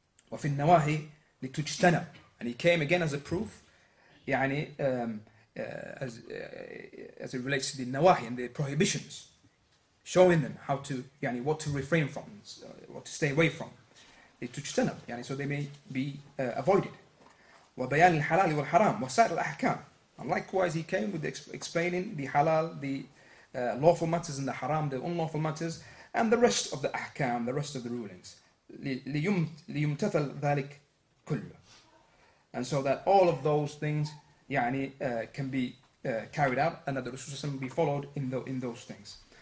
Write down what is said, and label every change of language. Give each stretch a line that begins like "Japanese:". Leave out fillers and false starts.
Arabic: وفي النواهي لتجتنب,
English: and he came again as a proof, يعني as it relates to the نواهي and the prohibitions, showing them how to, yani, what to refrain from, what to stay away from, لتجتنب, yani, so they may be avoided.
Arabic: وبيان الحلال والحرام وسائر الأحكام.
English: And likewise, he came with explaining the halal, the lawful matters, and the haram, the unlawful matters, and the rest of the أحكام, the rest of the rulings.
Arabic: ليمتثل ذلك كله.
English: And so that all of those things can be carried out and that the Rasulullah can be followed in those things.